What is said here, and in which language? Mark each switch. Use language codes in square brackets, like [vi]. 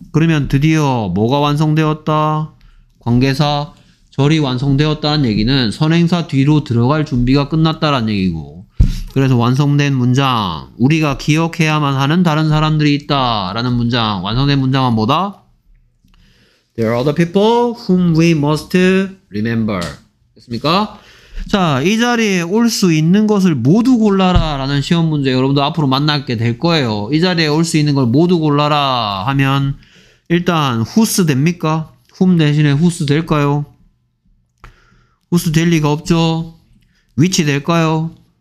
[ko] 그러면 드디어 뭐가 완성되었다? 관계사 절이 완성되었다는 얘기는 선행사 뒤로 들어갈 준비가 끝났다라는 얘기고 그래서 완성된 문장 우리가 기억해야만 하는 다른 사람들이 있다 라는 문장 완성된 문장은 뭐다? [en] There are other people whom we must remember. [ko] 됐습니까? 자, 이 자리에 올 수 있는 것을 모두 골라라 라는 시험 문제 여러분도 앞으로 만나게 될 거예요. 이 자리에 올 수 있는 걸 모두 골라라 하면 일단 whose 됩니까? whom 대신에 whose 될까요? whose 될 리가 없죠. which 될까요?